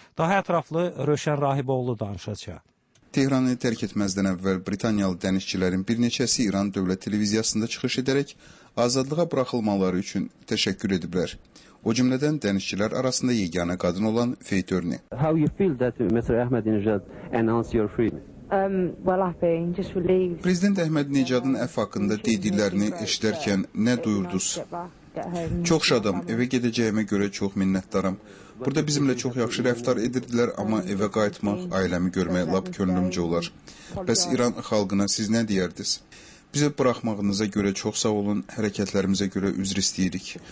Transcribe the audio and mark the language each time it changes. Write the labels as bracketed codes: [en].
[az] Daha ətraflı Rövşən Rahiboğlu danışacaq. Tehranı tərk etməzdən əvvəl Britaniyalı dənizçilərin bir neçəsi İran dövlət televiziyasında çıxış edərək azadlığa buraxılmaları üçün təşəkkür ediblər. O cümlədən dənizçilər arasında yeganə qadın olan Faith Turney. [en] How you feel that Mr. Ahmed Nejad announced your freedom? Well, happy, just relieved. [az] Prezident Əhməd Nejadın əf haqqında dediklərini eşidərkən nə duyurdunuz? Çox şadam, evə gedəcəyimə görə çox minnətdaram. Burada bizimlə çox yaxşı rəftar edirdilər, amma evə qayıtmaq, ailəmi görmək lap könlümcə olar. Bəs İran xalqına siz nə deyərdiniz? Bizi buraxmağınıza görə çox sağ olun, hərəkətlərimizə görə üzr istəyirik.